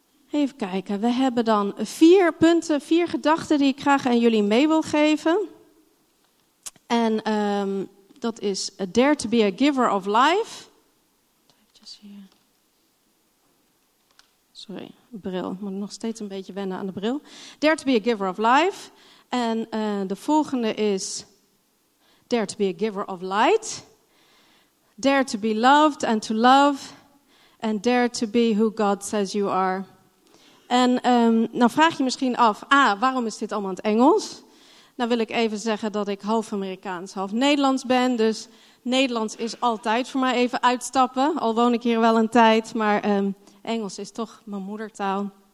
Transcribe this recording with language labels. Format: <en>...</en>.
<nl>Even kijken, we hebben dan 4 punten, 4 gedachten die ik graag aan jullie mee wil geven. En dat is</nl> <en>dare to be a giver of life.</en> <nl>Sorry. Bril, ik moet nog steeds een beetje wennen aan de bril.</nl> <en>Dare to be a giver of life.</en> <nl>En de volgende is</nl> <en>dare to be a giver of light. Dare to be loved and to love. And dare to be who God says you are.</en> <nl>En nou vraag je misschien af, waarom is dit allemaal in het Engels? Nou wil ik even zeggen dat ik half Amerikaans, half Nederlands ben, dus Nederlands is altijd voor mij even uitstappen, al woon ik hier wel een tijd, maar Engels is toch mijn moedertaal.</nl>